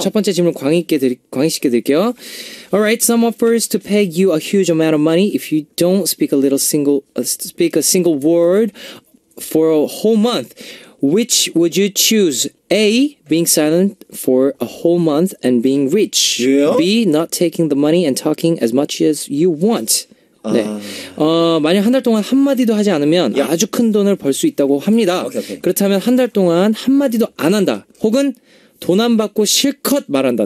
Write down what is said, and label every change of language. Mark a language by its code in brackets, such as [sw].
[ko] 첫 번째 질문 광희 씨께 드릴게요. [en] All right. Some offers to pay you a huge amount of money if you don't speak a single word for a whole month. Which would you choose? A, being silent for a whole month and being rich. Yeah? B, not taking the money and talking as much as you want. [ko] 네. 만약 한 달 동안 한마디도 하지 않으면 yeah. 아주 큰 돈을 벌 수 있다고 합니다. [en] Okay, okay. [ko] 그렇다면 한 달 동안 한마디도 안 한다. 혹은 돈 안 받고 실컷 말한다.